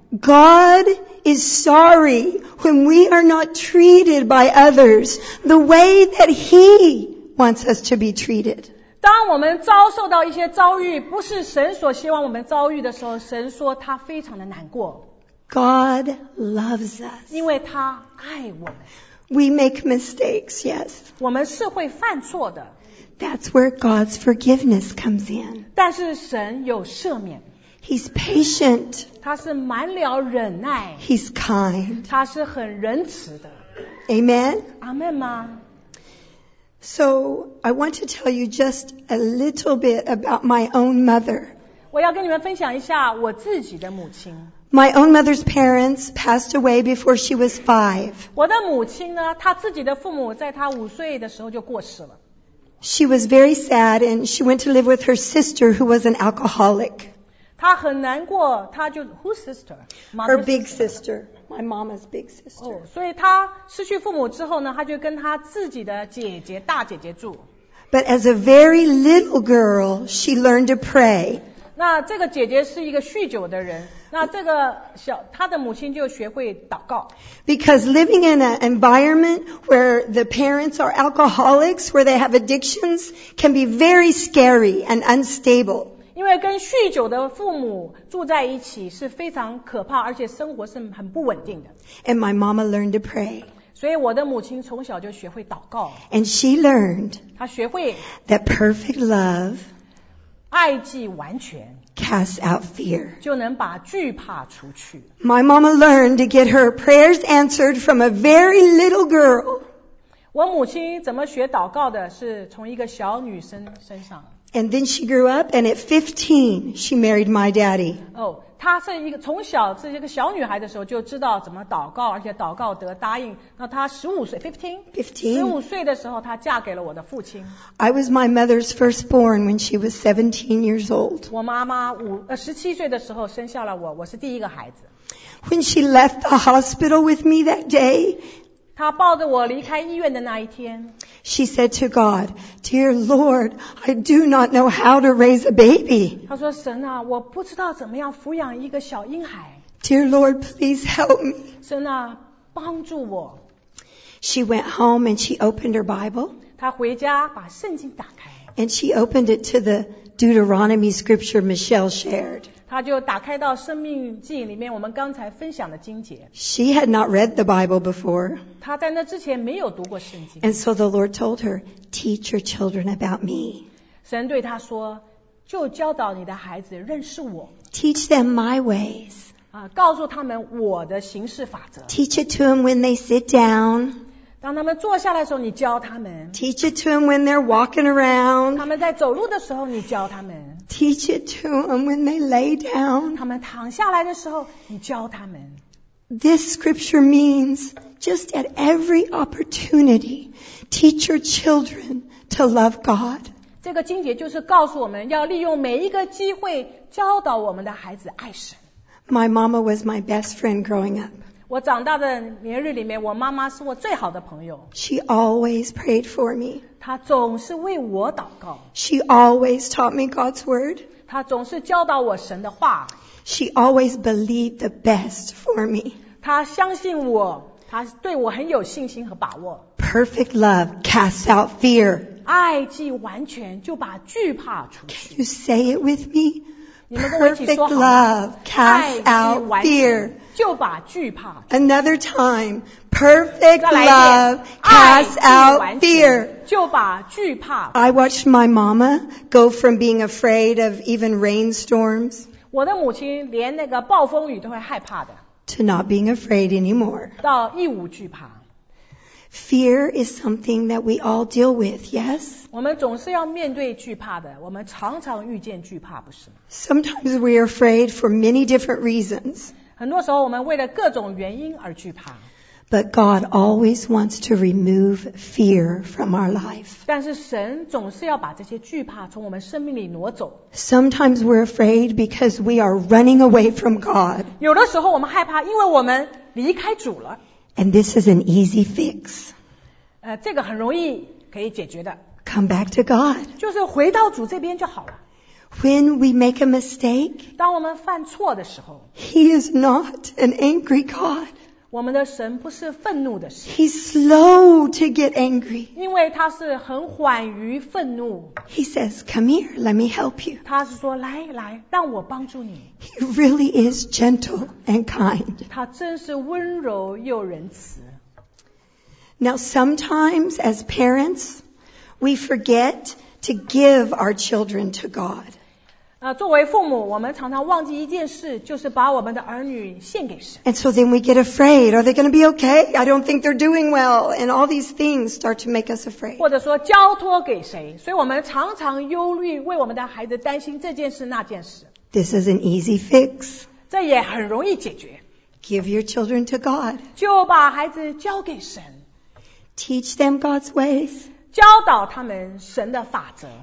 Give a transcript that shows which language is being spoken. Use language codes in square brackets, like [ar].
[en] God is sorry when we are not treated by others the way that He wants us to be treated. [zh] 当我们遭受到一些遭遇，不是神所希望我们遭遇的时候，神说他非常的难过。 [en] God loves us. [zh] 因为他爱我们。 [en] We make mistakes, yes. [zh] 我们是会犯错的。 [en] That's where God's forgiveness comes in. [zh] 但是神有赦免。 [en] He's patient. [zh] 他是满了忍耐。 [en] He's kind. [zh] 他是很仁慈的。 [en] Amen? [zh] Amen 吗？ [en] So, I want to tell you just a little bit about my own mother. [zh] 我要跟你们分享一下我自己的母亲。 [en] My own mother's parents passed away before she was five. [zh] 我的母亲呢，她自己的父母在她五岁的时候就过世了。 [en] She was very sad and she went to live with her sister who was an alcoholic. [zh] 她很难过，她就 [en] whose sister? Her big sister, my mama's big sister. [zh] 所以她失去父母之后呢，她就跟她自己的姐姐，大姐姐住。 [en] But as a very little girl, she learned to pray. [zh] 那这个姐姐是一个酗酒的人。那这个小他的母亲就学会祷告。 [en] Because living in an environment where the parents are alcoholics, where they have addictions, can be very scary and unstable. [zh] 因为跟酗酒的父母住在一起是非常可怕，而且生活是很不稳定的。 [en] And my mama learned to pray. [zh] 所以我的母亲从小就学会祷告。 [en] And she learned. [zh] 她学会。 [en] That perfect love. [zh] 爱既完全。 [en] Cast out fear. [zh] 就能把惧怕除去。 [en] My mama learned to get her prayers answered from a very little girl. [zh] 我母亲怎么学祷告的？是从一个小女生身上。 [en] And then she grew up, and at 15, she married my daddy. [zh] Oh, 她是一个从小是一个小女孩的时候就知道怎么祷告，而且祷告得答应。那她15岁的时候，她嫁给了我的父亲。 [en] I was my mother's firstborn when she was 17 years old. [zh] 我妈妈17岁的时候生下了我，我是第一个孩子。 [en] When she left the hospital with me that day, [zh] 她抱着我离开医院的那一天。 [en] She said to God, Dear Lord, I do not know how to raise a baby. [zh] 她说神啊，我不知道怎么样抚养一个小婴孩。 [en] Dear Lord, please help me. [zh] 神啊，帮助我。 [en] She went home and she opened her Bible. [zh] 她回家把圣经打开。 [en] And she opened it to the Deuteronomy scripture Michelle shared. [zh] 她就打开到生命记里面我们刚才分享的经节。 [en] She had not read the Bible before. [zh] 她在那之前没有读过圣经。 [en] And so the Lord told her, teach your children about me. [zh] 神对她说，就教导你的孩子认识我。 [en] Teach them my ways. [zh] 告诉他们我的行事法则。 [en] Teach it to them when they sit down. [zh] 当他们坐下来的时候你教他们。 [en] Teach it to them when they're walking around. [zh] 他们在走路的时候你教他们。 [en] Teach it to them when they lay down. [zh] 他们躺下来的时候你教他们。 [en] This scripture means just at every opportunity, teach your children to love God. [zh] 这个经节就是告诉我们要利用每一个机会教导我们的孩子爱神。 [en] My mama was my best friend growing up. [zh] 我长大的年日里面，我妈妈是我最好的朋友。 [en] She always prayed for me. [zh] 她总是为我祷告。 [en] She always taught me God's word. [zh] 她总是教导我神的话。 [en] She always believed the best for me. [zh] 她相信我，她对我很有信心和把握。 [en] Perfect love casts out fear. [zh] 爱既完全，就把惧怕除去。 [en] Can you say it with me? [zh] 你们跟我一起说好吗？ [en] Perfect love casts out fear. [zh] 就把惧怕。 [en] Another time, perfect love casts out fear. [zh] 就把惧怕。 [en] I watched my mama go from being afraid of even rainstorms. [zh] 我的母亲连那个暴风雨都会害怕的。 [en] To not being afraid anymore. [zh] 到一无惧怕。 [en] Fear is something that we all deal with, yes? [zh] 我们总是要面对惧怕的，我们常常遇见惧怕，不是吗？ [en] Sometimes we are afraid for many different reasons. [zh] 很多时候我们为了各种原因而惧怕。 [en] But God always wants to remove fear from our life. [zh] 但是神总是要把这些惧怕从我们生命里挪走。 [en] Sometimes we're afraid because we are running away from God. [zh] 有的时候我们害怕因为我们离开主了。 [en] And this is an easy fix. [zh] 这个很容易可以解决的。 [en] Come back to God. [zh] 就是回到主这边就好了。 [en] When we make a mistake, [zh] 当我们犯错的时候 [en] He is not an angry God. [zh] 我们的神不是愤怒的神。 [en] He's slow to get angry. [zh] 因为他是很缓于愤怒。 [en] He says, come here, let me help you. [zh] 他是说来来让我帮助你。 [en] He really is gentle and kind. [zh] 他真是温柔又仁慈。 [en] Now sometimes as parents, we forget to give our children to God. [zh] 作为父母我们常常忘记一件事就是把我们的儿女献给神。 [en] And so then we get afraid. Are they going to be okay? I don't think they're doing well. And all these things start to make us afraid. [zh] 或者说交托给谁。所以我们常常忧虑为我们的孩子担心这件事那件事。 [en] This is an easy fix. [zh] 这也很容易解决。 [en] Give your children to God. [zh] 就把孩子交给神。 [en] Teach them God's ways. [zh] 教导他们神的法则。